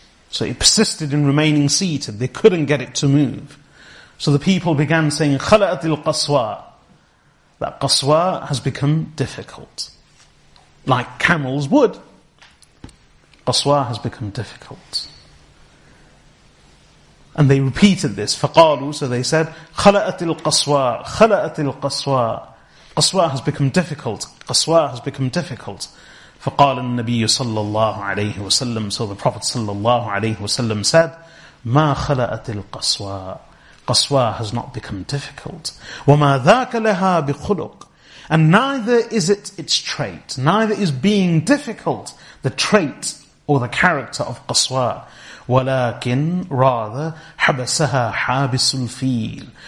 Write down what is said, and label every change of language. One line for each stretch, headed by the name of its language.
English: So it persisted in remaining seated. They couldn't get it to move. So the people began saying,
Arabic: Khala'at al-Qaswa.
English: That Qaswa has become difficult. Like camels would. Qaswa has become difficult. And they repeated this.
Arabic: فَقَالُوا,
English: so they said,
Arabic: خَلَأَتِ الْقَصْوَى, خَلَأَتِ الْقَصْوَى.
English: Qaswa has become difficult. Qaswa has become difficult.
Arabic: فَقَالَ النَّبِيُّ صَلَّى اللَّهُ عَلَيْهِ وَسَلَّمْ,
English: so the Prophet
Arabic: صَلَّى اللَّهُ عَلَيْهِ وَسَلَّمْ said, مَا خَلَأَتِ الْقَصْوَى.
English: Qaswa has not become difficult.
Arabic: وَمَا ذَاكَ لَهَا بِخُلُقٍ.
English: And neither is it its trait, neither is being difficult the trait or the character of Qaswa.
Arabic: Walakin,
English: rather,
Arabic: habasaha habisul fil.